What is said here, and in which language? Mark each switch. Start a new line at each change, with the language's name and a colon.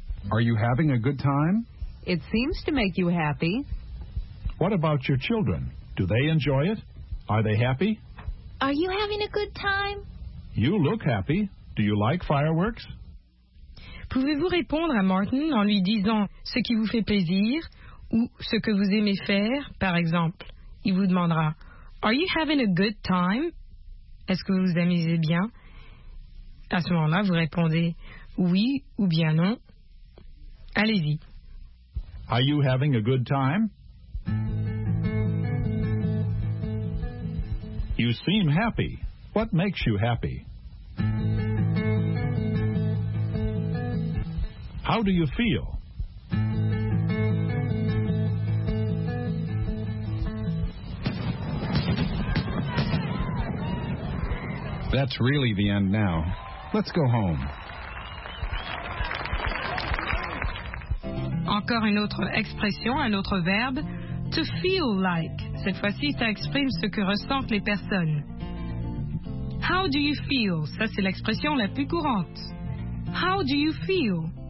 English: Are you having a good time? It seems to make you happy. What about your children? Do they enjoy it? Are they happy? Are you having a good time? You look happy. Do you like fireworks?
French: Pouvez-vous répondre à Martin en lui disant ce qui vous fait plaisir ou ce que vous aimez faire, par exemple? Il vous demandera,
English: Are you having a good time?
French: Est-ce que vous vous amusez bien? À ce moment-là, vous répondez oui ou bien non. Allez-y.
English: Are you having a good time? You seem happy. What makes you happy? How do you feel? That's really the end now. Let's go home.
French: Encore une autre expression, un autre verbe, to feel like. Cette fois-ci, ça exprime ce que ressentent les personnes.
English: How do you feel?
French: Ça, c'est l'expression la plus courante.
English: How do you feel?